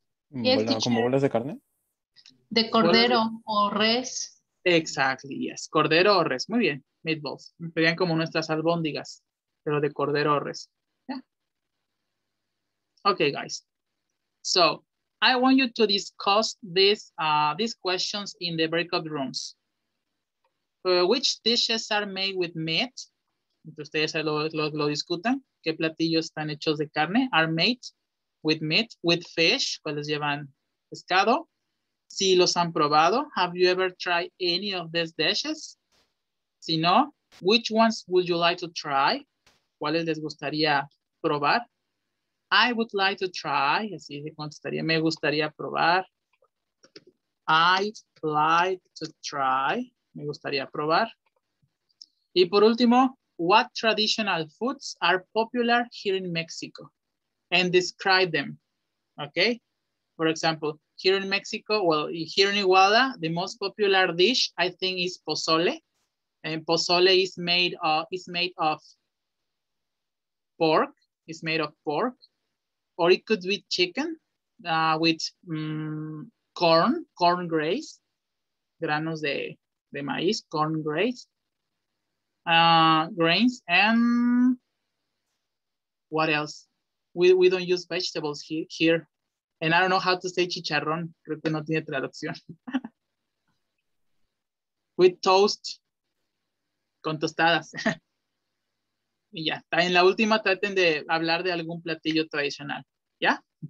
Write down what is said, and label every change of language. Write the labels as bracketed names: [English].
[Spanish] Yes, bueno, ¿como bolas de carne? De cordero o res. [English] Exactly, yes. [Spanish] Cordero o res. Muy bien, meatballs. Serían como nuestras albóndigas, pero de cordero o res. [English] Yeah. Okay, guys. So, I want you to discuss these questions in the breakout rooms. Which dishes are made with meat? [Spanish] Ustedes lo discutan. ¿Qué platillos están hechos de carne? [English] Are made with meat, with fish. [Spanish] ¿Cuáles llevan pescado? Si los han probado. [English] Have you ever tried any of these dishes? [Spanish] Si no, [English] which ones would you like to try? [Spanish] ¿Cuáles les gustaría probar? [English] I would like to try. [Spanish] Así se contestaría. Me gustaría probar. [English] I'd like to try. [Spanish] Me gustaría probar. Y por último, [English] what traditional foods are popular here in Mexico? And describe them, okay? For example, here in Mexico, well, here in Iguala, the most popular dish, I think, is pozole. And pozole is made of pork. Or it could be chicken with corn grays, [Spanish] granos de maíz, [English] corn grays, grains, and what else? We don't use vegetables here. And I don't know how to say chicharrón. [Spanish] Creo que no tiene traducción. [English] With toast. [Spanish] Con tostadas. Y ya. [English] Yeah. [Spanish] En la última traten de hablar de algún platillo tradicional. ¿Ya?